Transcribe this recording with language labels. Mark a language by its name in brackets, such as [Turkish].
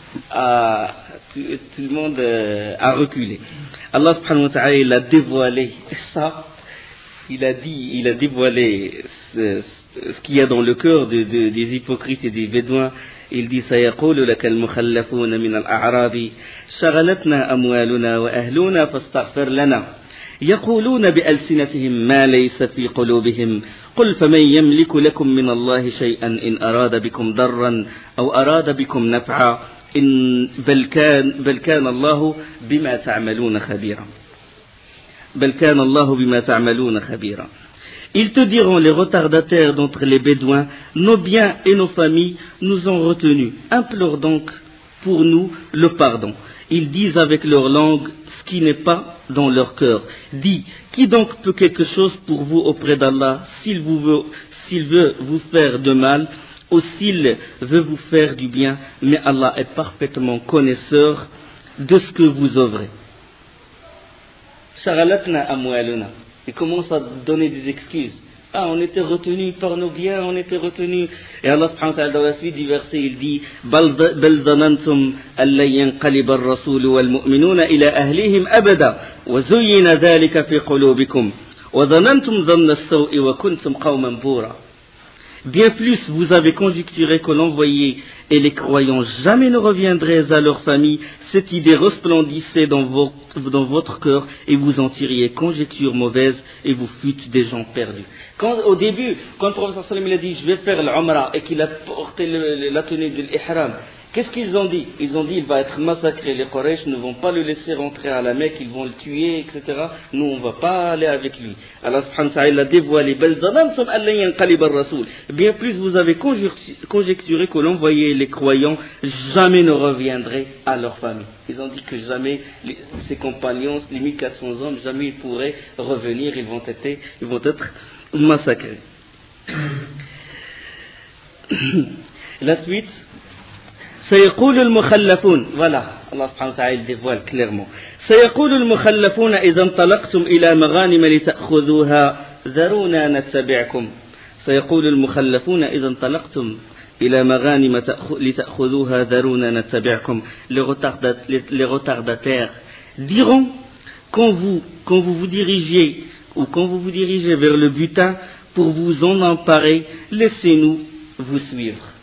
[French] tout le monde a reculé. Allah subhanahu wa ta'ala, il a dévoilé ça. Il a dévoilé ce qu'il y a dans le cœur des hypocrites et des bédouins. Il dit, [Arabic] سيقول لك المخلفون من الأعراب شغلتنا أموالنا وأهلنا فاستغفر لنا يقولون بألسنتهم ما ليس في قلوبهم قل فمن يملك لكم من الله شيئا إن أراد بكم ضرا أو أراد بكم نفعا إن بل كان الله بما تعملون خبيرا بل كان الله بما تعملون خبيرا. [French] Ils te diront, les retardataires d'entre les Bédouins, nos biens et nos familles nous ont retenus. Implore donc pour nous le pardon. Ils disent avec leur langue ce qui n'est pas dans leur cœur. Dis, qui donc peut quelque chose pour vous auprès d'Allah s'il veut vous faire de mal ou s'il veut vous faire du bien? Mais Allah est parfaitement connaisseur de ce que vous œuvrez. [Arabic] Shagalatna amwaluna. [French] Il commence à donner des excuses. Ah, on était retenu par nos biens, on était retenu. Et Allah subhanahu wa ta'ala, dans la suite du verset, il dit [Arabic] بَلْ ظَنَنْتُمْ أَلَّنْ يَنْقَلِبَ الرَّسُولُ وَالْمُؤْمِنُونَ إِلَىٰ أَهْلِهِمْ أَبَدًا وَزُيِّنَ ذَلِكَ فِي قُلُوبِكُمْ وَظَنَنْتُمْ ظَنَّ السَّوْءِ وَكُنْتُمْ قَوْمًا بُورًا. [French] Bien plus, vous avez conjecturé que l'envoyé et les croyants jamais ne reviendraient à leur famille. Cette idée resplendissait dans votre cœur et vous en tiriez conjecture mauvaise et vous fûtes des gens perdus. Au début, quand le prophète sallallahu alayhi wa sallam a dit « je vais faire l'umra » et qu'il a porté la tenue de l'ihram, qu'est-ce qu'ils ont dit? Ils ont dit « il va être massacré, les Quraysh ne vont pas le laisser rentrer à la Mecque, ils vont le tuer, etc. Nous, on ne va pas aller avec lui. » Allah subhanahu wa ta'ala a dévoilé « Belzadam sum allayyan qalib al-rasoul » Bien plus, vous avez conjecturé que l'envoyé et les croyants jamais ne reviendraient à leur famille. Ils ont dit que jamais ses compagnons, les 1400 hommes, jamais ils pourraient revenir, ils vont être massacrés. La suite... [Arabic] سيقول المخلفون ولا الله سبحانه وتعالى ديفوال كليرمون سيقول المخلفون اذا انطلقتم الى مغانم لتاخذوها ذرونا نتبعكم سيقول المخلفون اذا انطلقتم الى مغانم لتاخذوها ذرونا نتبعكم [French] les retardataires diront quand vous vous dirigez vers le butin pour vous en emparer, laissez-nous vous suivre.